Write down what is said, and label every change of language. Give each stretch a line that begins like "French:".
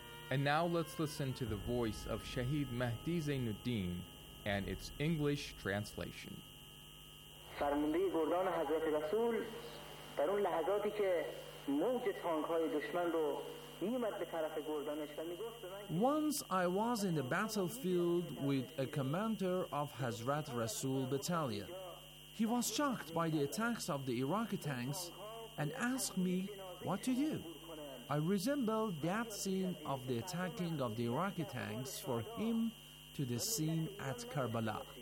English: And now let's listen to the voice of Shahid Mehdi Zainuddin and its English translation.
Persian: فرمانده گردان حضرت رسول در اون لحظاتی که موج تانک‌های دشمن رو می‌آمد به طرف گردانش و می‌گفت به من
English: Once I was in the battlefield with a commander of Hazrat Rasul battalion. He was shocked by the attacks of the Iraqi tanks and asked me what to do. I resemble that scene of the attacking of the Iraqi tanks for him to the scene at Karbala.